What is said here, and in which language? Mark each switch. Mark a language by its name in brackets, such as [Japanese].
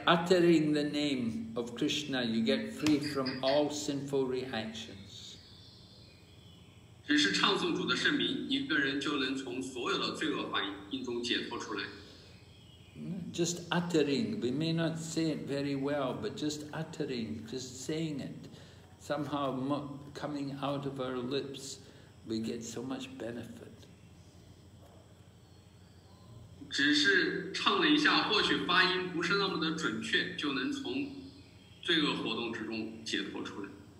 [English] uttering the name of Krishna, you get free from all sinful reactions. [Chinese] 只是唱诵主的圣名，一个人就能从所有的罪恶反应中解脱出来。 [English] Just uttering, we may not say it very well, but just uttering, just saying it, somehow coming out of our lips, we get so much benefit. [Chinese] 只是唱了一下，或许发音不是那么的准确，就能从罪恶活动之中解脱出来。